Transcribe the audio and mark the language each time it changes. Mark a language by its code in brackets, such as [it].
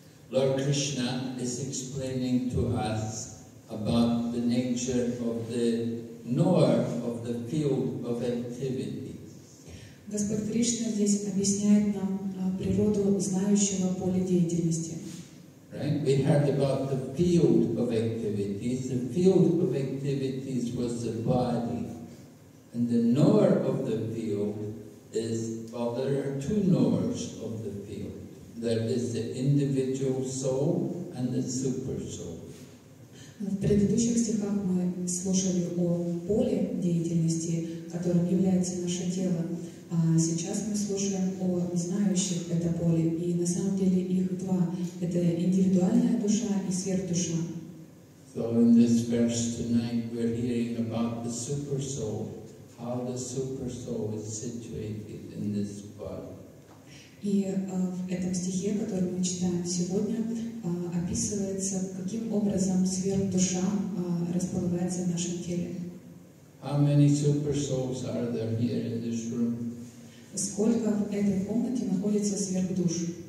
[en] Lord Krishna is explaining to us about the nature of the knower of the field of activity. [ru] Господь Кришна здесь объясняет нам природу знающего поля деятельности. [en] Right? We heard about the field of activities. The field of activities was the body. And the knower of the field is, well, there are two knowers of the field. There is the individual soul and the super soul. [ru] В предыдущих стихах мы слушали о поле деятельности, которым является наше тело. А сейчас мы слушаем о знающих это поле. И на самом деле их два. Это индивидуальная душа и сверхдуша. [en] So in this verse tonight we're hearing about the super soul. How the super soul is situated in this body. [ru] И в этом стихе, который мы читаем сегодня, описывается, каким образом сверхдуша располагается в нашем теле. [en] How many super souls are there here in this room? [ru] Сколько в этой комнате находится сверхдуш?